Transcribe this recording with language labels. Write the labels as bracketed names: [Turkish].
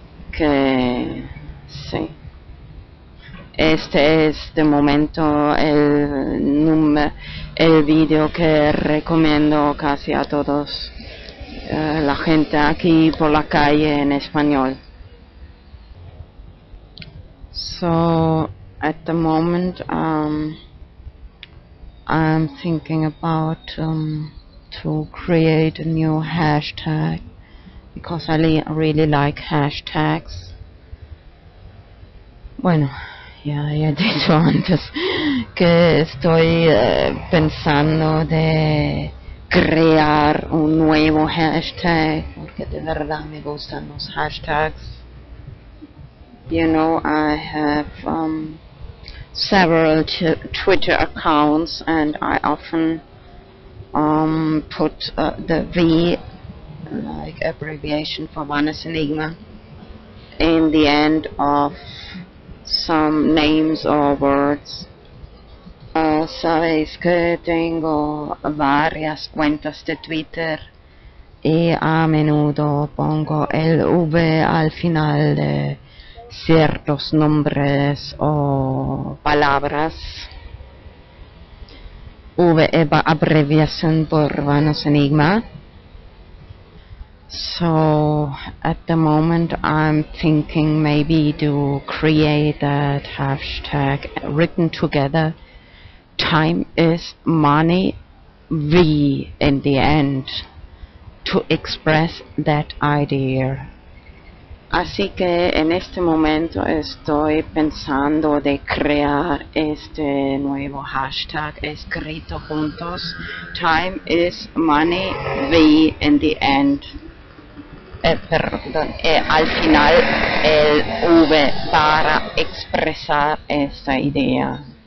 [Spanish] Que sí. Este es de momento el video que recomiendo casi a todos. La gente aquí por la calle en español. [English] So, at the moment, I'm thinking about to create a new hashtag because I really like hashtags. [Spanish] Bueno, ya he dicho antes que estoy pensando de crear un nuevo hashtag porque de verdad me gustan los hashtags. [English] You know, I have several Twitter accounts and I often put the V, like abbreviation for VanosEnigmA, in the end of some names or words. [Spanish] Sabéis que tengo varias cuentas de Twitter y a menudo pongo el V al final de ciertos nombres o palabras. V abbreviation por VanosEnigmA. [English] So at the moment I'm thinking maybe to create that hashtag written together. Time is money, V in the end, to express that idea. [Spanish] Así que en este momento estoy pensando de crear este nuevo hashtag escrito juntos. [English] Time is money, V in the end. [Spanish] Perdón, al final el V para expresar esta idea.